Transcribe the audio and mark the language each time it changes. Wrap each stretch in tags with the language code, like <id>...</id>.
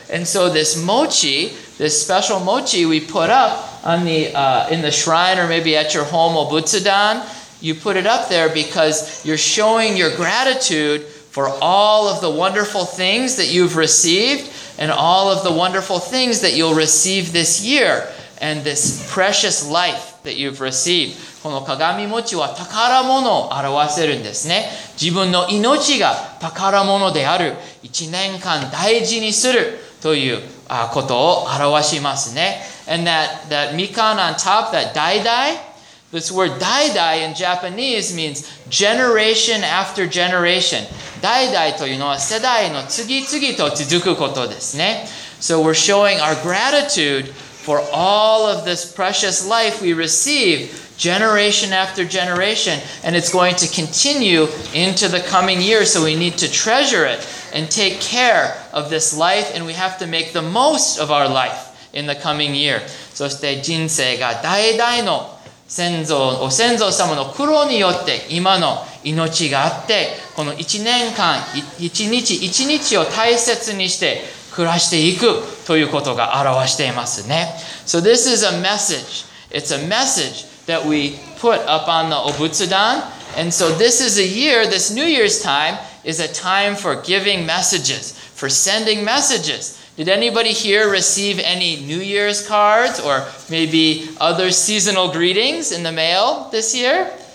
<en>And so this mochi, this special mochi we put up on the in the shrine or maybe at your home, Obutsudan, you put it up there because you're showing your gratitude for all of the wonderful things that you've received and all of the wonderful things that you'll receive this year and this precious life that you've received.</en> <ja>この鏡餅は宝物を表せるんですね。自分の命が宝物である。一年間大事にするという、ことを表しますね。</ja> <en>And that mikan on top, that daidai, this word daidai in Japanese means generation after generation.</en> <ja>代々というのは世代の次々と続くことですね。</ja> <en>So we're showing our gratitude for all of this precious life we receive generation after generation, and it's going to continue into the coming year, so we need to treasure it and take care of this life, and we have to make the most of our life in the coming year.</en> <ja>そして人生が代々の先祖様の苦労によって今の命があってこの1年間1日1日を大切にして暮らしていくということが表していますね。</ja> <en>So this is a message. It's a message that we put up on the Obutsudan. And so this is a year, this New Year's time is a time for giving messages, for sending messages. Did anybody here receive any New Year's cards or maybe other seasonal greetings in the mail this year?</en>